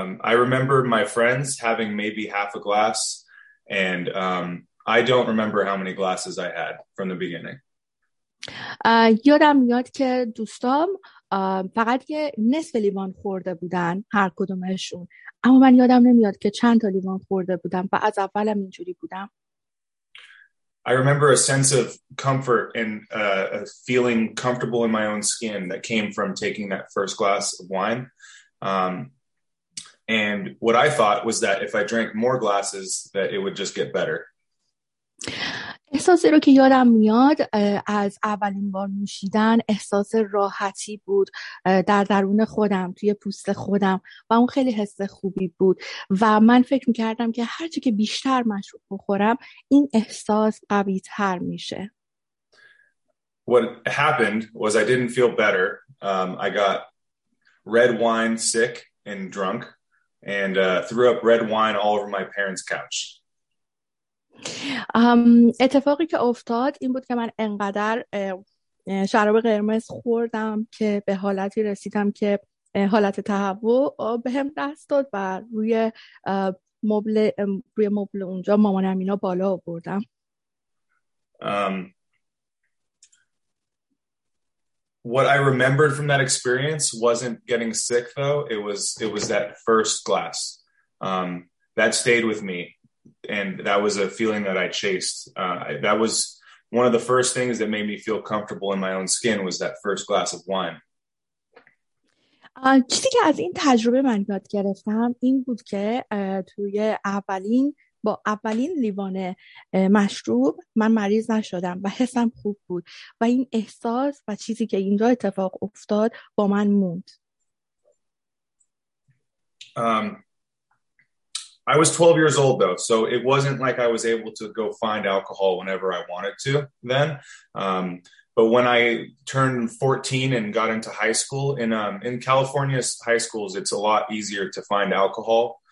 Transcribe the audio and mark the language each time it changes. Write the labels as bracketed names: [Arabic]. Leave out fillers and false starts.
[English] I remember my friends having maybe half a glass, and I don't remember how many glasses I had from the beginning. [Persian] یادم میاد که دوستام فقط یه نصف لیوان خورده بودن هر کدومشون، اما من یادم نمیاد که چند تا لیوان خورده بودم و از اولم اینجوری بودم. [English] I remember a sense of comfort and feeling comfortable in my own skin that came from taking that first glass of wine. And what I thought was that if I drank more glasses that it would just get better. [Persian] احساسی رو که یادم میاد از اولین بار نوشیدن، احساس راحتی بود در درون خودم، توی پوست خودم، و اون خیلی حس خوبی بود و من فکر میکردم که هرچی که بیشتر مشروب بخورم این احساس قوی تر میشه. [English] What happened was I didn't feel better. I got red wine sick and drunk and threw up red wine all over my parents' couch. [Persian] اتفاقی که افتاد این بود که من انقدر شراب قرمز خوردم که به حالتی رسیدم که حالت تهوع به هم دست داد و روی مبل اونجا مامانم اینا بالا آوردم. [English] What I remembered from that experience wasn't getting sick though, it was that first glass. That stayed with me. And that was a feeling that I chased. That was one of the first things that made me feel comfortable in my own skin was that first glass of wine. [Persian] چیزی که از این تجربه من یاد گرفتم این بود که توی اولین لیوان مشروب من مریض نشدم و حسم خوب بود و این احساس و چیزی که اینجا اتفاق افتاد با من موند. [English] I was 12 years old though, so it wasn't like I was able to go find alcohol whenever I wanted to then. But when I turned 14 and got into high school, in California's high schools, it's a lot easier to find alcohol.